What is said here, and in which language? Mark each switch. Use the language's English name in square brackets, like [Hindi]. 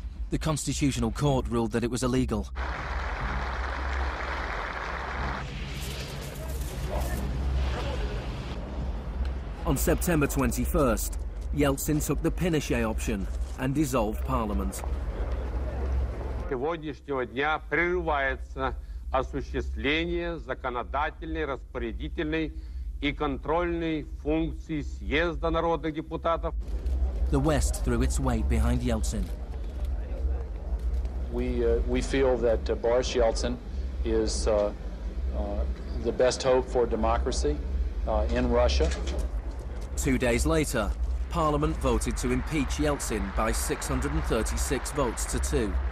[English] The Constitutional Court ruled that it was illegal. On September 21st, Yeltsin took the Pinochet option and dissolved Parliament. [Russian] Сегодняшнего дня прерывается осуществление законодательной, распорядительной и контрольной функции съезда народных депутатов. [English] The West threw its weight behind Yeltsin. We feel that Boris Yeltsin is the best hope for democracy in Russia. 2 days later, Parliament voted to impeach Yeltsin by 636 votes to two.